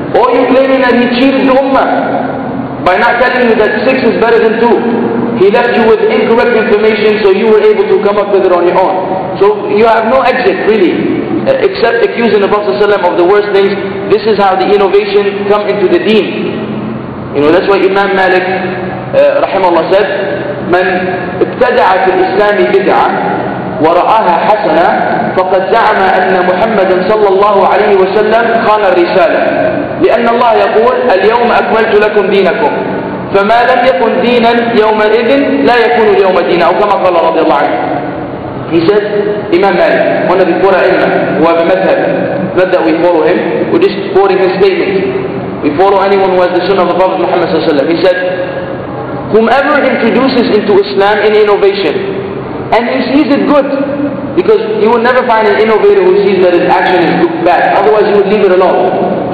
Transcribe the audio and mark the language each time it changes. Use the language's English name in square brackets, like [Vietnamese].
[English] Or you're claiming that he cheated the ummah by not telling you that 6 is better than 2. He left you with incorrect information, so you were able to come up with it on your own. So you have no exit, really, except accusing the Prophet sallallahu alaihi wasallam of the worst things. This is how the innovation come into the deen. You know, that's why Imam Malik rahimahullah said, [Arabic] من ابتدع في الإسلام بدعة ورآها حسنة فقد زعم أن محمدا صلى الله عليه وسلم خان الرسالة. لأن الله يقول اليوم أكملت لكم دينكم فما لم يكن دينا يومئذ لا يكون اليوم دينا. أو كما قال رضي الله عنه. [English] He said, Imam Malik, one of the four ilma, who have a madhab, not that we follow him, we're just following his statement. We follow anyone who has the sunnah of the Prophet Muhammad sallallahu alaihi wasallam. He said, whomever introduces into Islam an innovation, and he sees it good, because you will never find an innovator who sees that his action is bad, otherwise he would leave it alone.